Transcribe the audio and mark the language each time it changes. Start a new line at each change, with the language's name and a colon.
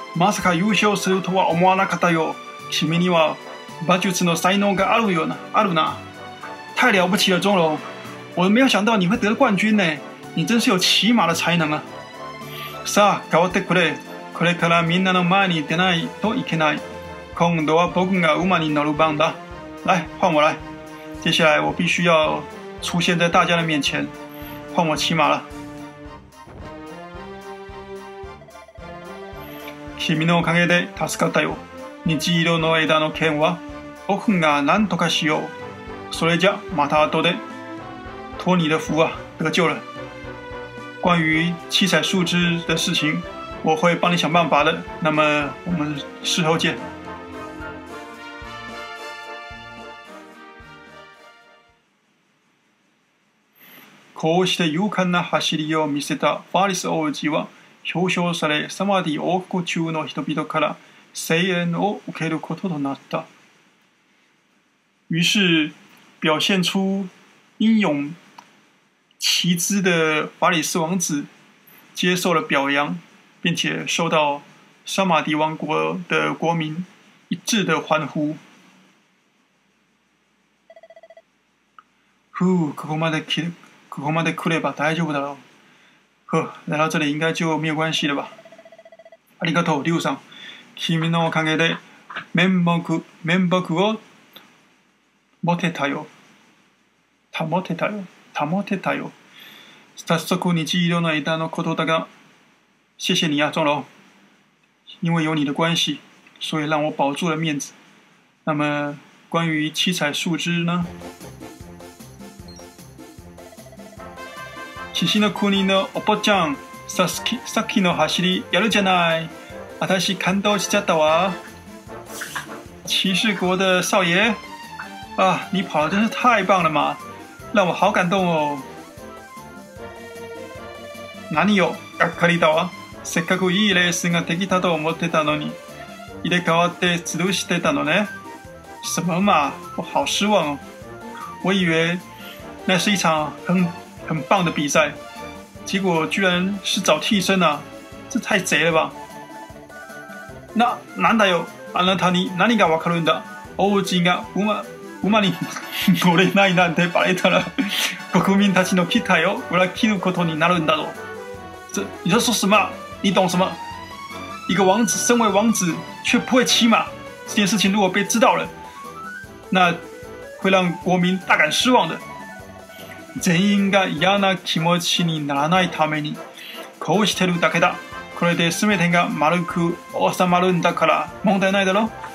Japanese: まさか優勝するとは思わなかったよ。君には馬術の才能があるよな、あるな。
Chinese: 太了不起了，钟龙。我没有想到你会得冠军呢。你真是有骑马的才能啊。
Japanese: さあ、変わってくれ。これからみんなの前に出ないといけない。今度は僕が馬に乗る番だ。
Chinese: 来，换我来。接下来我必须要出现在大家的面前，换我骑马了。
Japanese: 君のおかげで助かったよ。虹色の枝の剣は僕が何とかしよう。それじゃまた後で。
Chinese: 托你的福啊，得救了。关于七彩树枝的事情，我会帮你想办法的。那么我们事后见。
Japanese: こうして勇敢な走りを見せたファリス王子は表彰され、サマディ王国中の人々から声援を受けることとなった。
Chinese: 于是，表现出英勇骑姿的法里斯王子接受了表扬，并且受到萨马迪王国的国民一致的欢呼。
Japanese: 呼，ここまで来れば大丈夫だろう。
Chinese: 呵，来到这里应该就没有关系了吧。
Japanese: ありがとう、リュウさん。君のおかげで面目を持てたよ。保てたよ。保てたよ。早速虹色の枝のことだが、
Chinese: 谢谢你啊，钟楼。因为有你的关系，所以让我保住了面子。那么，关于七彩树枝呢？
Japanese: 獅子の国のお坊ちゃん、さっきの走りやるじゃない。私感動しちゃったわ。
Chinese: 騎士国的少爷，啊，你跑的真是太棒了嘛，让我好感动哦。
Japanese: 何よ、がっかりだわ。せっかくいいレースができたと思ってたのに、入れ替わって潰してたのね。
Chinese: 什么嘛，我好失望哦。我以为那是一场很棒的比赛，结果居然是找替身啊，这太贼了吧。那难道有
Japanese: あなたに何がわかるんだ。王子が馬に乗れないなんてバレたら国民たちの期待を裏切ることになるんだろう。
Chinese: 这你在说什么，你懂什么。一个王子身为王子却不会骑马，这件事情如果被知道了，那会让国民大感失望的。
Japanese: 全員が嫌な気持ちにならないためにこうしてるだけだ。これで全てが丸く収まるんだから問題ないだろ。